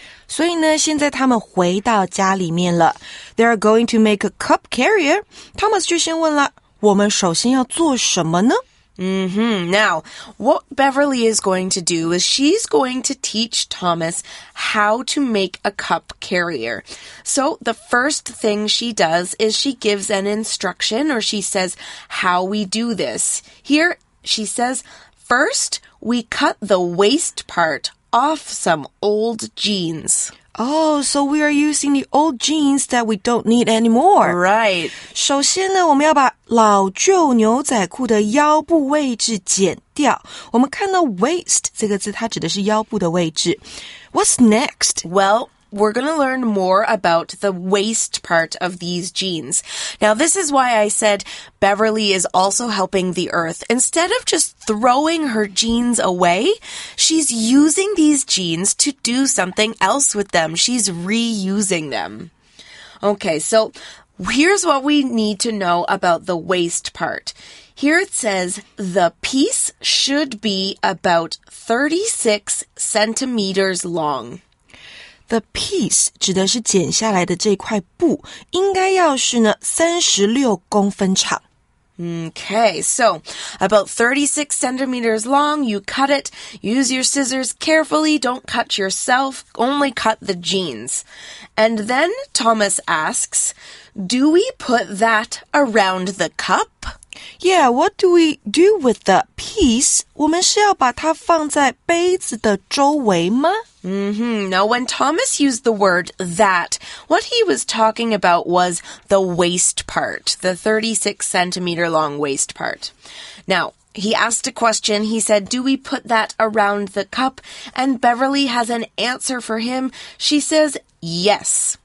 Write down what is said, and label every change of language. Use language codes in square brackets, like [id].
[zh] 所以呢现在他们回到家里面了。 [en] They are going to make a cup carrier. [zh] Thomas 就先问了，我们首先要做什么呢？ Mm-hmm. [en] Now, what Beverly is going to do is she's going to teach Thomas how to make a cup carrier. So the first thing she does is she gives an instruction, or she says how we do this. Here, she says, first, we cut the waist partoff some old jeans. Oh, so we are using the old jeans that we don't need anymore. Right. [zh] 首先呢，我们要把老旧牛仔裤的腰部位置剪掉。我们看到 waist 这个字，它指的是腰部的位置。 [en] What's next? Well, we're going to learn more about the waist part of these jeans. Now, this is why I said Beverly is also helping the earth. Instead of just throwing her jeans away, she's using these jeans to do something else with them. She's reusing them. Okay, so here's what we need to know about the waist part. Here it says the piece should be about 36 centimeters long. The piece [zh] 指的是剪下来的这块布，应该要是呢36公分长。 [en] Okay, so about 36 centimeters long, you cut it, use your scissors carefully, don't cut yourself, only cut the jeans. And then Thomas asks, do we put that around the cup? Yeah, what do we do with the piece? [zh] 我们是要把它放在杯子的周围吗？ Mm-hmm. [en] Now, when Thomas used the word that, what he was talking about was the waist part, the 36 centimeter long waist part. Now, he asked a question. He said, do we put that around the cup? And Beverly has an answer for him. She says, yes.